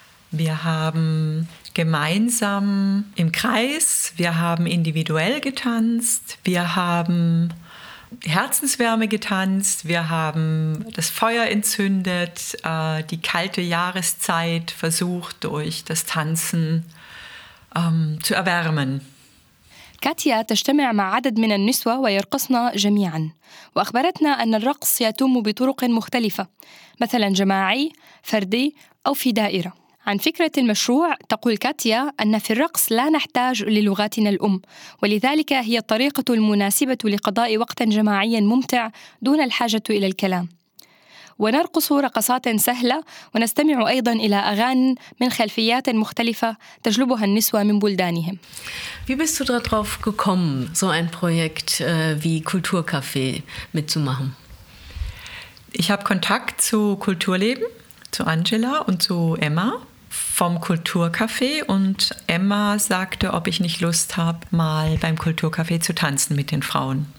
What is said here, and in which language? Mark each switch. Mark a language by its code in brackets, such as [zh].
[de] Wir haben gemeinsam im Kreis, wir haben individuell getanzt, wir haben Herzenswärme getanzt, wir haben das Feuer entzündet, die kalte Jahreszeit versucht, durch das Tanzen zu erwärmen. [ar] كاتيا تجتمع مع عدد من النسوة ويرقصن جميعا وأخبرتنا أن الرقص يتم بطرق مختلفة مثلا جماعي، فردي أو في دائرة. عن فكرة المشروع تقول كاتيا أن في الرقص لا نحتاج للغاتنا الأم ولذلك هي الطريقة المناسبة لقضاء وقتا جماعيا ممتع دون الحاجة إلى الكلام ونرقص رقصات سهلة ونستمع أيضا إلى أغاني من خلفيات مختلفة تجلبها النسوة من بلدانهم. [de] Wie bist du darauf gekommen, so ein Projekt wie Kulturcafé mitzumachen? Ich habe Kontakt zu Kulturleben, zu Angela und zu Emma vom Kulturcafé und Emma sagte, ob ich nicht Lust habe, mal beim Kulturcafé zu tanzen mit den Frauen.